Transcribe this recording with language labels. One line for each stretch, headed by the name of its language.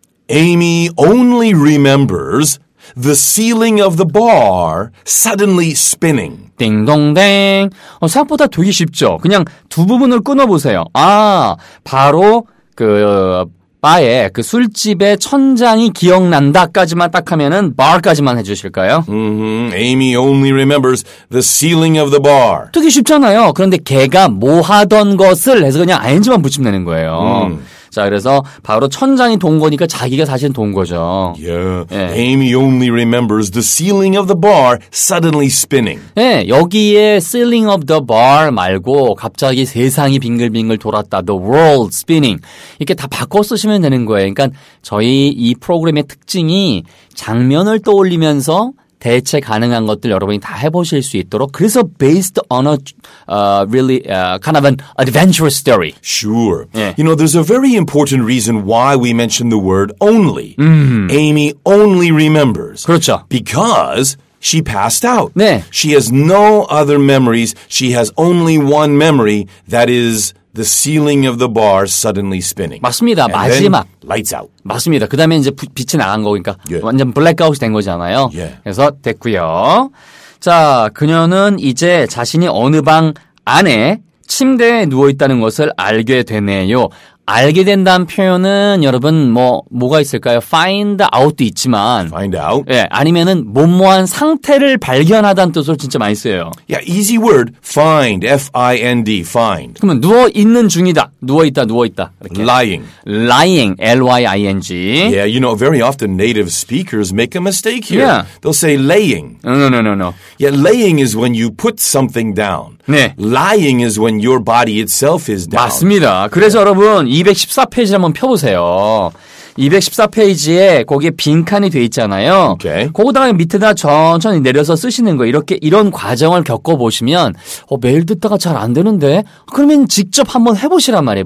English: 에이미 only remembers the ceiling of the bar suddenly spinning.
Korean: 띵동댕. 어, 생각보다 되게 쉽죠? 그냥 두 부분을 끊어보세요. 아, 바로 그 바에 그 술집의 천장이 기억난다까지만 딱 하면은 bar까지만 해주실까요?
English: Amy only remembers the ceiling of the bar.
Korean: 되게 쉽잖아요. 그런데 걔가 뭐 하던 것을 해서 그냥 ing만 붙이면 되는 거예요. 자, 그래서 바로 천장이 돈 거니까 자기가 사실 돈 거죠.
English: Yeah. 예. Amy only remembers the ceiling of the bar suddenly spinning.
Korean: 예, 여기에
English: ceiling of the bar
Korean: 말고 갑자기 세상이 빙글빙글 돌았다.
English: The world spinning.
Korean: 이렇게 다 바꿔 쓰시면 되는 거예요. 그러니까 저희 이 프로그램의 특징이 장면을 떠올리면서 대체 가능한 것들 여러분이 다 해보실 수 있도록 그래서
English: based on a really kind of an adventurous story. Sure. Yeah. You know, there's a very important reason why we mention the word only. Amy only remembers.
Korean: 그렇죠.
English: Because she passed out.
Korean: 네.
English: She has no other memories. She has only one memory that is the ceiling of the bar suddenly spinning.
Korean: 맞습니다.
English: And
Korean: 마지막.
English: Then lights out.
Korean: 맞습니다. 그 다음에 이제 빛이 나간 거니까
English: yeah.
Korean: 완전 블랙아웃이 된 거잖아요.
English: Yeah.
Korean: 그래서 됐고요. 자, 그녀는 이제 자신이 어느 방 안에 침대에 누워있다는 것을 알게 되네요. 알게 된다는 표현은 여러분 뭐가 있을까요? Find out도 있지만
English: Find out?
Korean: 예, 아니면은 뭐뭐한 상태를 발견하다는 뜻으로 진짜 많이 써요.
English: Yeah, easy word. Find, F-I-N-D, find.
Korean: 그러면 누워있는 중이다. 누워있다, 누워있다. 이렇게.
English: Lying. Lying, L-Y-I-N-G. Yeah, you know, very often native speakers make a mistake here. Yeah. They'll say laying. No. Yeah, laying is when you put something down.
Korean: 네.
English: Lying is when your body itself is down.
Korean: 맞습니다. 그래서 yeah. 여러분, 214페이지 한번 펴보세요. 214페이지에 거기에 빈칸이 돼 있잖아요. 오케이. 거기다가 밑에다 천천히 내려서 쓰시는 거 이렇게 이런 과정을 겪어보시면 매일 듣다가 잘 안 되는데 그러면 직접 한번 해보시란 말이에요.